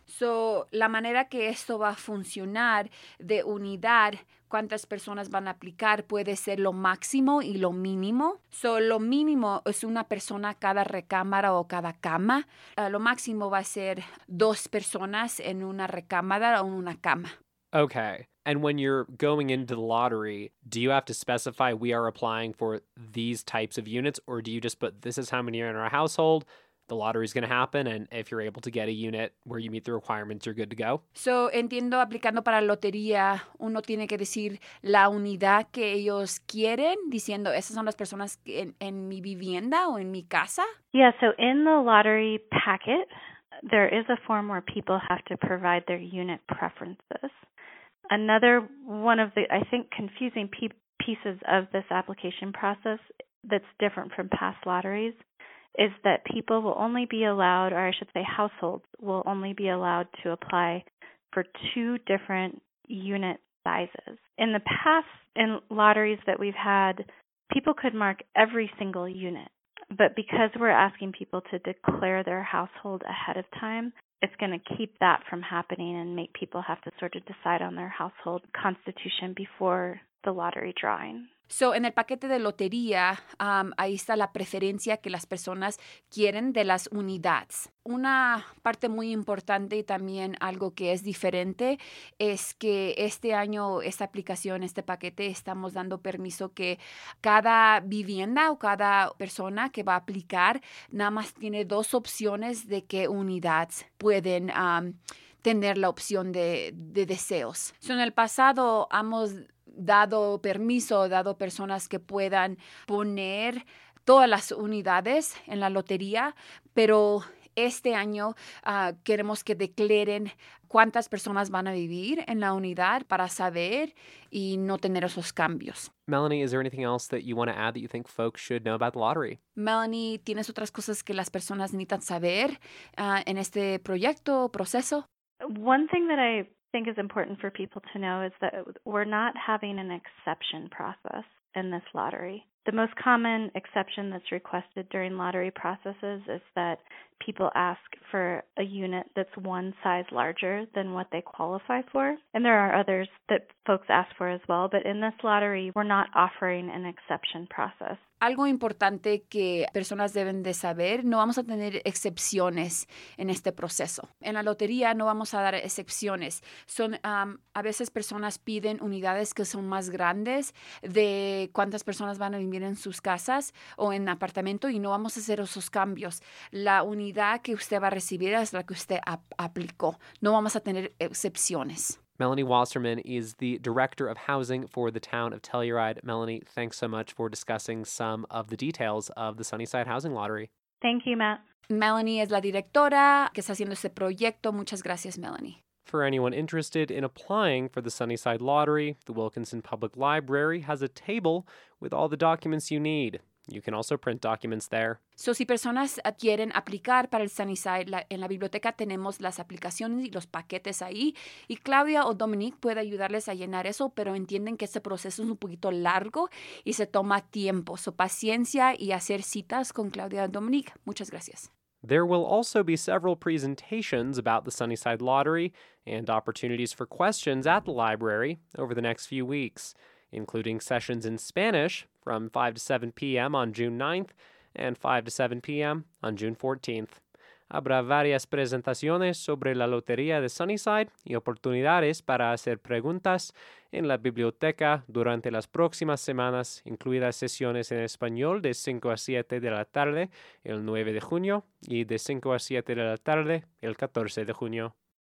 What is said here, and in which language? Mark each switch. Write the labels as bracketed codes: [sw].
[es] So, la manera que esto va a funcionar de unidad, cuántas personas van a aplicar, puede ser lo máximo y lo mínimo. So, lo mínimo es una persona cada recámara o cada cama. Lo máximo va a ser dos personas en una recámara o una cama. [en] Okay. And when you're going into the lottery, do you have to specify we are applying for these types of units, or do you just put this is how many are in our household? The lottery is going to happen, and if you're able to get a unit where you meet the requirements, you're good to go. [es] So, entiendo, aplicando para lotería, uno tiene que decir la unidad que ellos quieren, diciendo, esas son las personas en mi vivienda o en mi casa. [en] Yeah, so in the lottery packet, there is a form where people have to provide their unit preferences. Another one of the, I think, confusing pieces of this application process that's different from past lotteries is that people will only be allowed, or I should say households, will only be allowed to apply for two different unit sizes. In the past, in lotteries that we've had, people could mark every single unit. But because we're asking people to declare their household ahead of time, it's going to keep that from happening and make people have to sort of decide on their household constitution before the lottery drawing. [es] So, en el paquete de lotería, ahí está la preferencia que las personas quieren de las unidades. Una parte muy importante y también algo que es diferente es que este año, esta aplicación, este paquete, estamos dando permiso que cada vivienda o cada persona que va a aplicar nada más tiene dos opciones de qué unidades pueden tener la opción de deseos. So, en el pasado, hemos dado permiso, dado personas que puedan poner todas las unidades en la lotería, pero este año queremos que declaren cuántas personas van a vivir en la unidad para saber y no tener esos cambios. [en] Melanie, is there anything else that you want to add that you think folks should know about the lottery? [es] Melanie, ¿tienes otras cosas que las personas necesitan saber en este proyecto o proceso? [en] One thing that I think is important for people to know is that we're not having an exception process in this lottery. The most common exception that's requested during lottery processes is that people ask for a unit that's one size larger than what they qualify for. And there are others that folks ask for as well. But in this lottery, we're not offering an exception process. [es] Algo importante que personas deben de saber, no vamos a tener excepciones en este proceso. En la lotería no vamos a dar excepciones. Son, a veces personas piden unidades que son más grandes de cuántas personas van a vivir en sus casas o en apartamento y no vamos a hacer esos cambios. La unidad que usted va a recibir es la que usted aplicó. No vamos a tener excepciones. [en] Melanie Wasserman is the Director of Housing for the Town of Telluride. Melanie, thanks so much for discussing some of the details of the Sunnyside Housing Lottery. Thank you, Matt. [es] Melanie es la directora que está haciendo este proyecto. Muchas gracias, Melanie. [en] For anyone interested in applying for the Sunnyside Lottery, the Wilkinson Public Library has a table with all the documents you need. You can also print documents there. [es] So, si personas quieren aplicar para el Sunnyside, en la biblioteca tenemos las aplicaciones y los paquetes ahí. Y Claudia o Dominique puede ayudarles a llenar eso, pero entienden que este proceso es un poquito largo y se toma tiempo. So, paciencia y hacer citas con Claudia o Dominique. Muchas gracias. [en] There will also be several presentations about the Sunnyside Lottery and opportunities for questions at the library over the next few weeks, including sessions in Spanish from 5 to 7 p.m. on June 9th and 5 to 7 p.m. on June 14th. [es] Habrá varias presentaciones sobre la Lotería de Sunnyside y oportunidades para hacer preguntas en la biblioteca durante las próximas semanas, incluidas sesiones en español de 5 a 7 de la tarde el 9 de junio y de 5 a 7 de la tarde el 14 de junio.